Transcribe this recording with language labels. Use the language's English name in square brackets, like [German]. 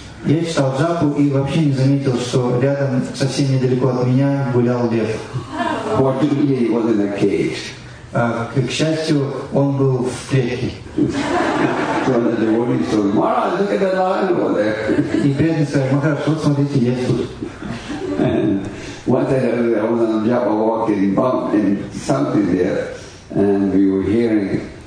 [Russian] Я читал джапу и вообще не заметил, что рядом, совсем недалеко от меня, гулял лев. [English] Fortunately, he was in a cage. [Russian] К счастью, он был в клетке. [English] So the devotee said, Maharaj, look at the lion over there. [Russian] И преданный сказал, Махарадж, вот смотрите, лев тут. [English] And once I heard that I was on a japa walking, bump and something there, and we were hearing